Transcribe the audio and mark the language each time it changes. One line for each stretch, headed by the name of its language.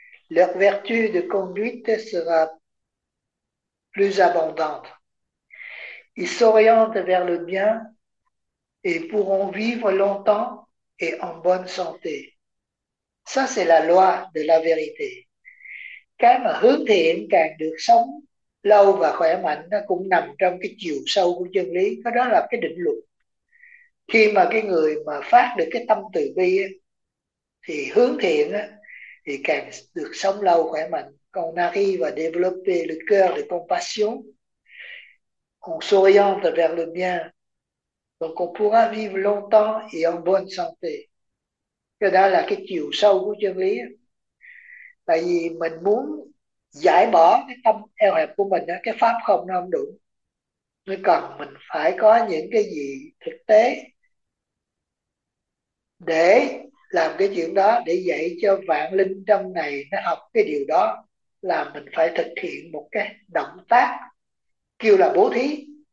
French: Leur vertu de conduite sera plus abondante. Ils s'orientent vers le bien et pourront vivre longtemps et en bonne santé. Ça, c'est la loi de la vérité.
Vietnamese: Càng hướng thiện càng được sống lâu và khỏe mạnh, nó cũng nằm trong cái chiều sâu của chân lý, cái đó là cái định luật. Khi mà cái người mà phát được cái tâm từ bi ấy, thì hướng thiện ấy, thì càng được sống lâu khỏe mạnh. Còn nari và
French: développer le cœur de compassion, on s'oriente vers le bien. Donc on pourra vivre longtemps et en bonne santé.
Vietnamese: Cái đó là cái chiều sâu của chân lý. Tại vì mình muốn giải bỏ cái tâm eo hẹp của mình, cái pháp không nó không đủ. Nó cần mình phải có những cái gì thực tế để làm cái chuyện đó, để dạy cho vạn linh trong này nó học cái điều đó, là mình phải thực hiện một cái động tác kêu là bố thí.